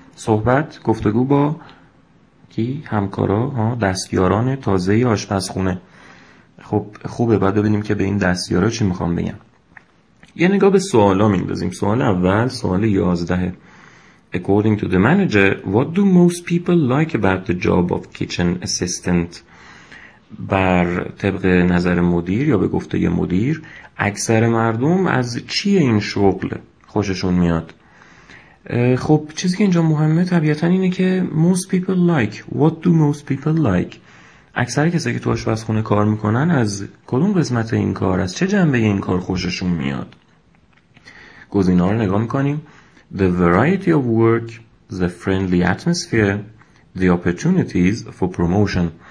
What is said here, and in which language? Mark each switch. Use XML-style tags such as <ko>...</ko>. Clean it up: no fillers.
<fa>صحبت، گفتگو با کی؟ همکارا، دستیاران تازه آشپزخونه. خب خوبه، بعد ببینیم که به این دستیارا چی میخوام بگم. یه نگاه به سوالا میندازیم. سوال اول، سوال 11:</fa> <en>According to the manager, what do most people like about the job of kitchen assistant?</en> <fa>بر طبق نظر مدیر یا به گفته یه مدیر، اکثر مردم از چی این شغل خوششون میاد؟ خب چیزی که اینجا مهمه طبیعتاً اینه که</fa> <en>most people like. What do most people like?</en> <fa>اکثر کسایی که تو آشپزخونه کار میکنن از کدوم قسمت این کار، از چه جنبه این کار خوششون میاد؟ گزینه ها رو نگاه میکنیم:</fa> <en>The variety of work, the friendly atmosphere, the opportunities for promotion.</en>